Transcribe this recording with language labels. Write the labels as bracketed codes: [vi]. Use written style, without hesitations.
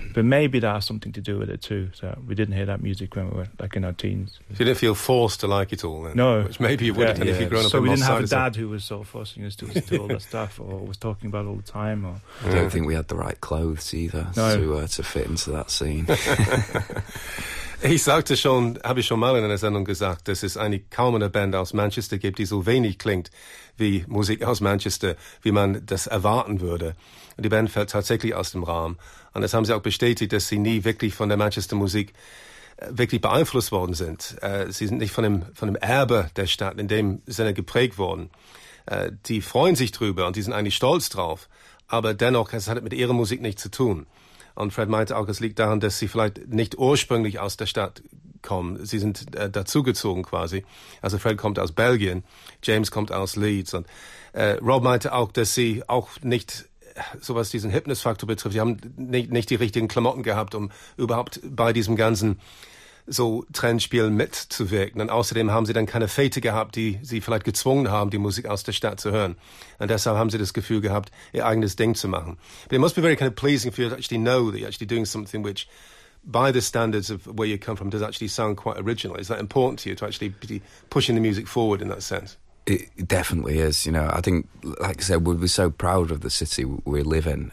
[en] But maybe that has something to do with it too. So we didn't hear that music when we were like in our teens. So you didn't feel forced to like it all then? No. Which maybe you wouldn't if you'd grown up. So we didn't have a dad who was sort of forcing us to listen to all that stuff or was talking about it all the time. Or I don't think we had the right clothes either to fit into that scene. [de] Ich sagte schon, habe ich schon mal in einer Sendung gesagt, dass es eigentlich kaum eine Band aus Manchester gibt, die so wenig klingt wie Musik aus Manchester, wie man das erwarten würde. Und die Band fällt tatsächlich aus dem Rahmen. Und das haben sie auch bestätigt, dass sie nie wirklich von der Manchester-Musik wirklich beeinflusst worden sind. Sie sind nicht von dem Erbe der Stadt in dem Sinne geprägt worden. Die freuen sich drüber und die sind eigentlich stolz drauf. Aber dennoch, es hat mit ihrer Musik nichts zu tun. Und Fred meinte auch, es liegt daran, dass sie vielleicht nicht ursprünglich aus der Stadt kommen. Sie sind dazugezogen quasi. Also Fred kommt aus Belgien, James kommt aus Leeds. Und Rob meinte auch, dass sie auch nicht, so was diesen Hipness-Faktor betrifft, sie haben nicht die richtigen Klamotten gehabt, um überhaupt bei diesem ganzen so Trendspiel mitzuwirken. Und außerdem haben sie dann keine Fete gehabt, die sie vielleicht gezwungen haben, die Musik aus der Stadt zu hören. Und deshalb haben sie das Gefühl gehabt, ihr eigenes Ding zu machen. [en] But it must be very kind of pleasing for you to actually know that you're actually doing something which, by the standards of where you come from, does actually sound quite original. Is that important to you, to actually be pushing the music forward in that sense? It definitely is. I think, like I said, we're so proud of the city we live in.